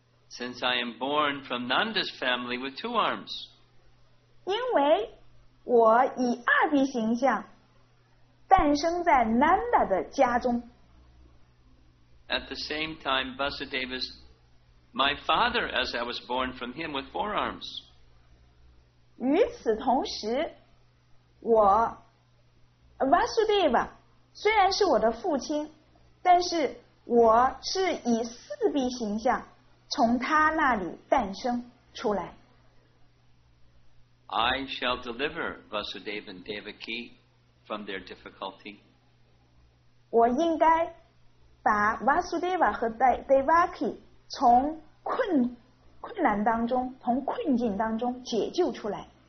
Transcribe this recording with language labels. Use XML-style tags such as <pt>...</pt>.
<en>Since I am born from Nanda's family with two arms.</en> <zh>因为我以二臂形象诞生在 Nanda 的家中。</zh> <en>At the same time, Vasudev is my father as I was born from him with four arms.</en> <zh>与此同时，我 Vasudev 虽然是我的父亲，但是我是以四臂形象从他那里诞生出来。</zh> <en>I shall deliver Vasudev and Devaki from their difficulty.</en> <zh>我应该把 Vasudeva 和 Devaki 从困难当中，从困境当中解救出来。</zh>